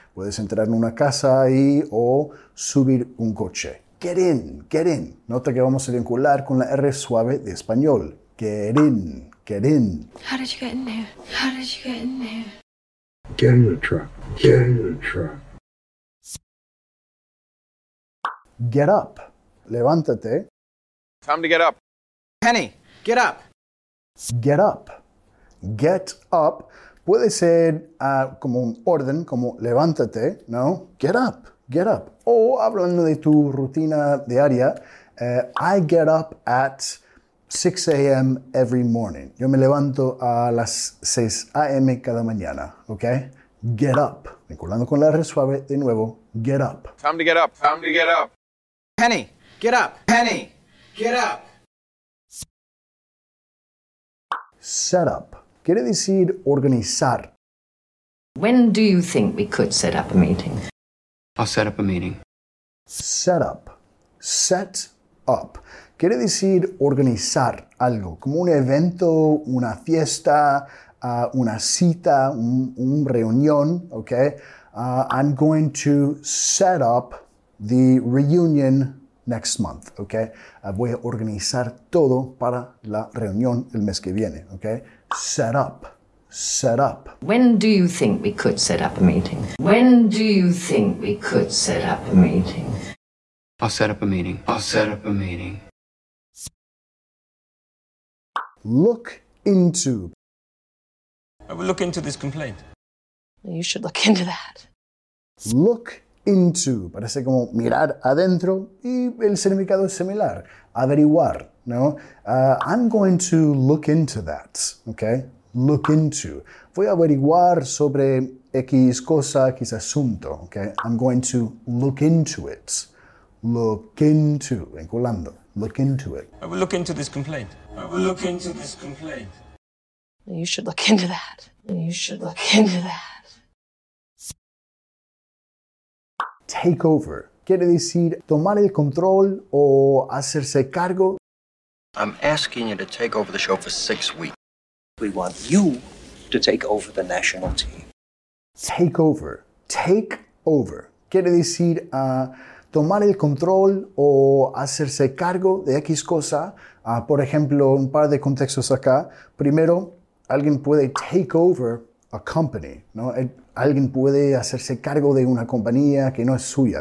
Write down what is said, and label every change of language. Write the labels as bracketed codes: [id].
[es] Puedes entrar en una casa ahí o subir un coche. [en] Get in, get in. [es] Nota que vamos a vincular con la R suave de español. [en] Get in, get in. How did you get in there? How did you get in there? Get in the truck, get in the truck. Get up, [es] levántate. [en] Time to get up. Penny, get up. Get up, get up. [es] Puede ser como un orden, como levántate, ¿no? [en] Get up, get up. [es] O hablando de tu rutina diaria, [en] I get up at 6 a.m. every morning. [es] Yo me levanto a las 6 a.m. cada mañana, ¿ok? [en] Get up. [es] Vinculando con la R suave, de nuevo, [en] get up. Time to get up, time to get up. Penny, get up, Penny, get up. Set up. [es] Quiere decir organizar. [en] When do you think we could set up a meeting? I'll set up a meeting. Set up. Set up. [es] Quiere decir organizar algo, como un evento, una fiesta, una cita, un reunión, ¿ok? [en] I'm going to set up the reunion next month, ¿ok? [es] Voy a organizar todo para la reunión el mes que viene, ¿ok? [en] Set up, set up. When do you think we could set up a meeting? When do you think we could set up a meeting? I'll set up a meeting. I'll set up a meeting. Look into. I will look into this complaint. You should look into that. Look into. [es] Parece como mirar adentro y el significado es similar. Averiguar. [en] No, I'm going to look into that, okay? Look into. [es] Voy a averiguar sobre X cosa, X asunto, okay? [en] I'm going to look into it. Look into, vinculando. Look into it. I will look into this complaint. I will look into this complaint. You should look into that. You should look into that. Take over. [es] Quiere decir tomar el control o hacerse cargo. [en] I'm asking you to take over the show for 6 weeks. We want you to take over the national team. Take over. Take over. [es] Quiere decir tomar el control o hacerse cargo de X cosa. Por ejemplo, un par de contextos acá. Primero, alguien puede [en] take over a company, [es] ¿no? Alguien puede hacerse cargo de una compañía que no es suya.